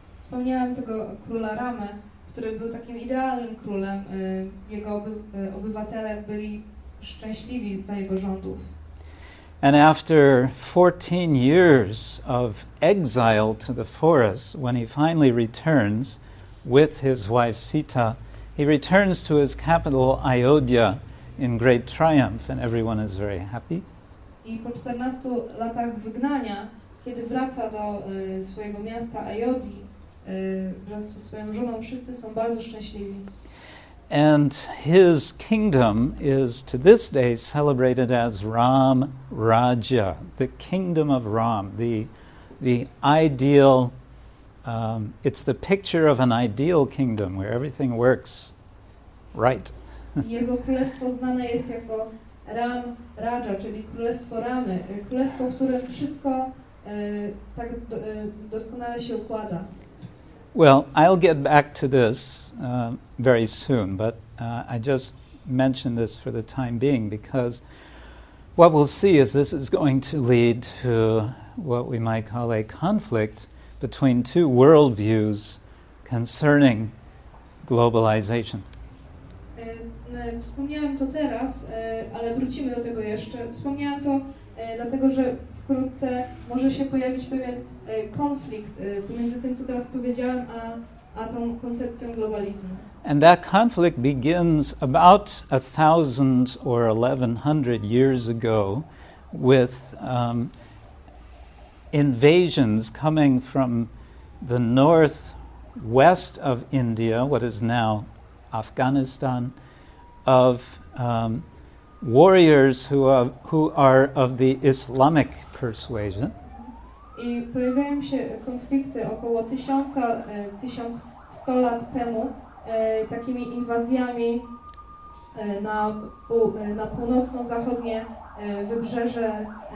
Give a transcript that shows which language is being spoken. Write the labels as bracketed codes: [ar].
[pl] Wspomniałem tego króla Ramę, który był takim idealnym królem. Jego obywatele byli szczęśliwi za jego rządów. [en] And after 14 years of exile to the forest, when he finally returns with his wife Sita, he returns to his capital Ayodhya in great triumph, and everyone is very happy. [pl] I po 14 latach wygnania, kiedy wraca do swojego miasta Ayodhi wraz ze swoją żoną, wszyscy są bardzo szczęśliwi. [en] And his kingdom is to this day celebrated as Ram Rajya, the kingdom of Ram, the ideal, it's the picture of an ideal kingdom where everything works right. [pl] Jego królestwo znane jest jako Ram Rajya, czyli królestwo Ramy, królestwo, w którym wszystko tak doskonale się układa. [en] Well, I'll get back to this very soon, but I just mention this for the time being, because what we'll see is this is going to lead to what we might call a conflict between two worldviews concerning globalization. [pl] Wspomniałem to teraz, ale wrócimy do tego jeszcze. Wspomniałem to dlatego, że wkrótce może się pojawić pewien konflikt pomiędzy tym, co teraz powiedziałem, a tą koncepcją globalizmu. [en] And that conflict begins about 1,000 or 1,100 years ago with invasions coming from the northwest of India, what is now Afghanistan, of warriors who are of the Islamic persuasion. [pl] I pojawiają się konflikty około 1100 lat temu takimi inwazjami na północno-zachodnie wybrzeże